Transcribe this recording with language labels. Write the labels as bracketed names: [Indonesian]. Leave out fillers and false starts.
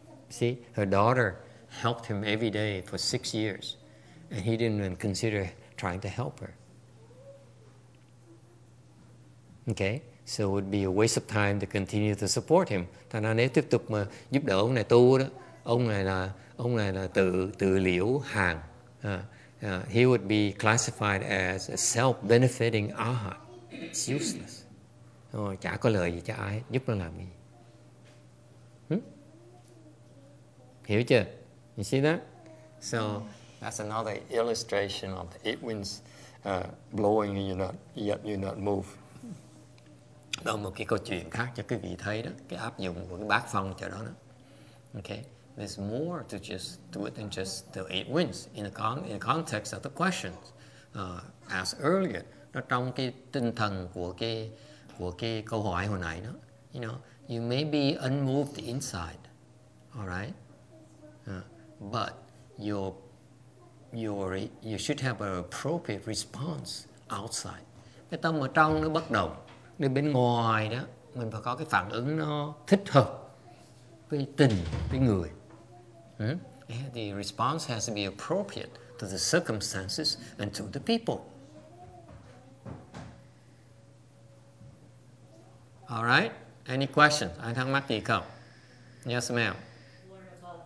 [English] See, her daughter helped him every day for 6 years and he didn't even consider trying to help her. Okay, so it would be a waste of time to continue to support him. [Vietnamese] Thành ra nếu tiếp tục mà giúp đỡ ông này tu đó, ông này là tự liễu hàng. [English] He would be classified as a self-benefiting arhat. It's useless. [Vietnamese] Oh, chả có lợi gì cho ai, giúp nó làm gì. Hiểu chưa? [English] You see that? So that's another illustration of the eight winds blowing and you're not moved. [Vietnamese] Đó là một cái câu chuyện khác cho quý vị thấy đó, cái áp dụng của cái bát phong cho đó đó. [English] Okay, there's more to just do it than just the eight winds in the context of the questions asked earlier. [Vietnamese] Nó trong cái tinh thần của cái câu hỏi hồi nãy đó. [English] You know, you may be unmoved inside, all right, but you should have an appropriate response outside. [Vietnamese] Cái tâm ở trong nó bất động. Nên bên ngoài đó mình phải có cái phản ứng nó thích hợp với tình với người. [English] Yeah, the response has to be appropriate to the circumstances and to the people. All right, any questions? [Vietnamese] Ai thắc mắc gì không? [English] Yes, ma'am. What about